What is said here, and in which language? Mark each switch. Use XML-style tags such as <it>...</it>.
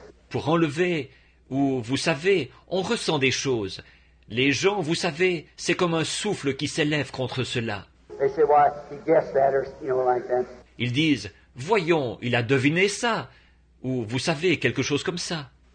<fr>Pour enlever... Ou, vous savez, on ressent des choses. Les gens, vous savez, c'est comme un souffle qui s'élève contre cela.</fr> <en>They say, well, he guessed that, or, you know, like that.</en> <fr>Ils disent, voyons, il a deviné ça. Ou, vous savez, quelque chose comme ça.</fr>